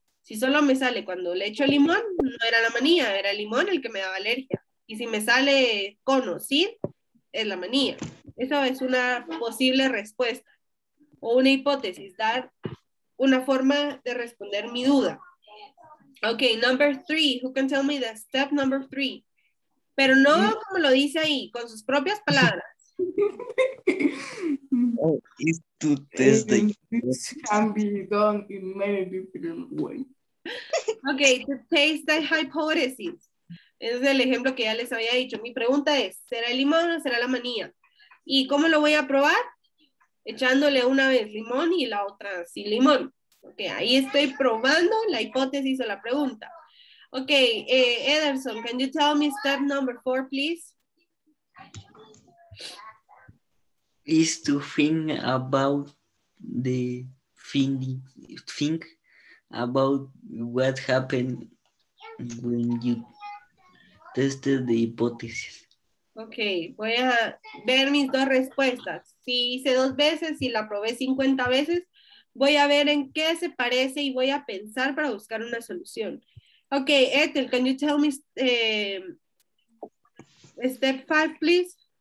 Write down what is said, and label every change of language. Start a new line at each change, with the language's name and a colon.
Spanish: Si solo me sale cuando le echo limón, no era la manía, era el limón el que me daba alergia. Y si me sale con o sin, es la manía. Esa es una posible respuesta o una hipótesis, dar una forma de responder mi duda.
English: Ok, number three, who can tell me the step number three?
Spanish: Pero no como lo dice ahí, con sus propias palabras.
English: Oh, is to test the hypothesis. This can be done in many different ways. Okay, to test the hypothesis.
Spanish: Ese es el ejemplo que ya les había dicho. Mi pregunta es, ¿será el limón o será la manía? ¿Y cómo lo voy a probar? Echándole una vez limón y la otra sin limón. Ok, ahí estoy probando la hipótesis o la pregunta.
English: Ok, Ederson, can you tell me step number four, please? Is to think about the think about what happened when you tested the hypothesis.
Spanish: Okay, voy a ver mis dos respuestas. Si hice dos veces y la probé 50 veces, voy a ver en qué se parece y voy a pensar para buscar una solución.
English: Okay, Ethel, can you tell me step five, please?